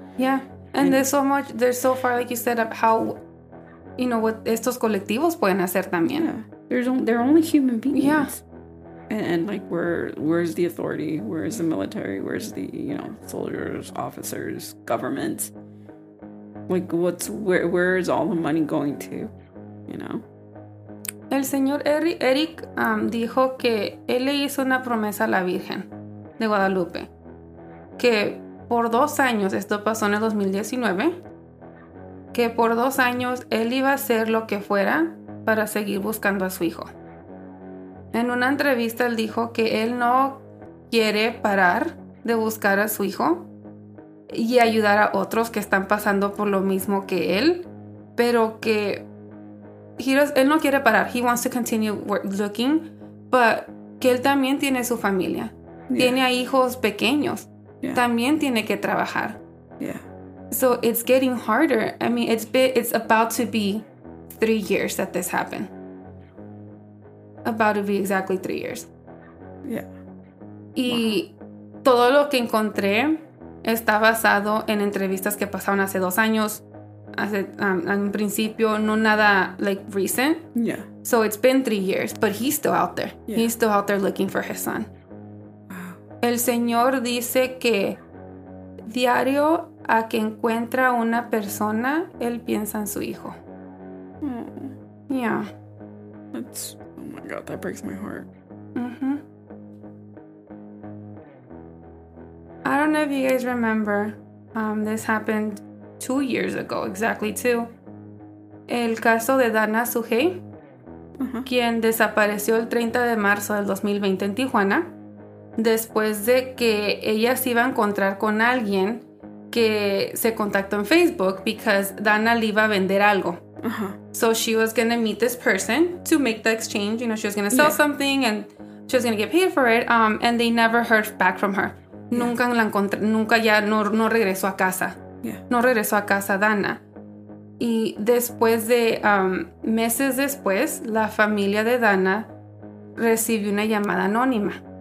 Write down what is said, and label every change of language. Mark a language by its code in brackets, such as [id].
[en] Yeah. And there's so much, there's so far, like you said, of how, you know, what [es] estos colectivos pueden hacer también. [en] Yeah. They're only human beings. Yeah. And like, where's the authority? Where's the military? Where's the, you know, soldiers, officers, government? Like, where is all the money going to, you know? [es] El señor Eric dijo que él le hizo una promesa a la Virgen de Guadalupe. Que por 2 años, esto pasó en el 2019... que por 2 años él iba a hacer lo que fuera para seguir buscando a su hijo. En una entrevista él dijo que él no quiere parar de buscar a su hijo y ayudar a otros que están pasando por lo mismo que él, pero que él no quiere parar. [en] He wants to continue looking, but [es] que él también tiene su familia. [en] Yeah. [es] Tiene a hijos pequeños. [en] Yeah. [es] También tiene que trabajar. [en] Yeah. So it's getting harder. I mean, it's about to be 3 years that this happened. About to be exactly 3 years. Yeah. [es] Y todo lo que encontré está basado en entrevistas que pasaron hace 2 años, as en principio, no nada [en] like recent. Yeah. So it's been 3 years, but he's still out there. Yeah. He's still out there looking for his son. [es] El Señor dice que diario a que encuentra una persona, él piensa en su hijo. Mm. [en] Yeah. That's, oh my God, that breaks my heart. Mm-hmm. I don't know if you guys remember, this happened 2 years ago, exactly two. [es] El caso de Dana Sujei, quien desapareció el 30 de marzo del 2020 en Tijuana. Después de que ella se iba a encontrar con alguien que se contactó en Facebook [en] because [es] Dana le iba a vender algo. [en] So she was going to meet this person to make the exchange. You know, she was going to sell something and she was going to get paid for it. And they never heard back from her. Yeah. [es] Nunca la encontré, nunca ya no regresó a casa. [en] Yeah. [es] No regresó a casa Dana. Y después de meses después, la familia de Dana recibió una llamada anónima.